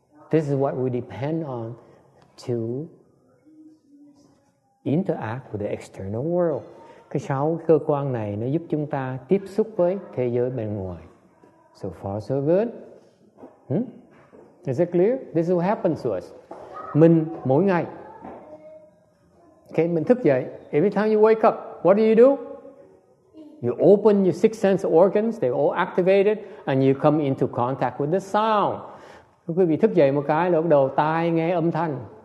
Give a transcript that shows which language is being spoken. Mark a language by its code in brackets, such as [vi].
[en] This is what we depend on to interact with the external world. [vi] Cái sáu cơ quan này nó giúp chúng ta tiếp xúc với thế giới bên ngoài. [en] So far, so good. Is it clear? This is what happens to us. [vi] Mình mỗi ngày. Okay, mình thức dậy. [en] Every time you wake up, what do? You open your 6 sense organs, they all activated, and you come into contact with the sound. [vi] Quý vị thức dậy một cái là bắt đầu tai nghe âm thanh.